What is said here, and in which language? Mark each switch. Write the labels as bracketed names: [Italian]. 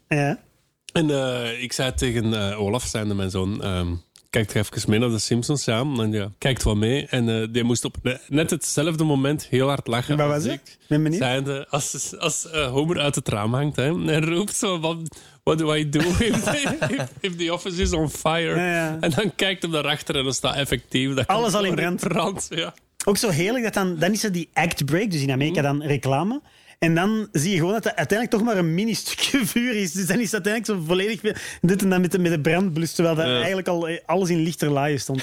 [Dutch] Ja. En ik zei tegen Olaf, zijnde mijn zoon, kijk even mee naar de Simpsons samen. En ja, kijkt wat mee. En die moest op net hetzelfde moment heel hard lachen. Wat was het? Zijnde, als Homer uit het raam hangt, hè, en roept zo van... [English] What do I do if the office is on fire? [Dutch] Ja, ja. En dan kijkt hem daarachter en dan staat effectief. Dat alles al in brand. Brand, ja. Ook zo heerlijk, dat dan is er die act break, dus in Amerika dan reclame. En dan zie je gewoon dat het uiteindelijk toch maar een mini stukje vuur is. Dus dan is het uiteindelijk zo volledig dit en dan met de brandblus, terwijl dat eigenlijk al alles in lichter laaien stond.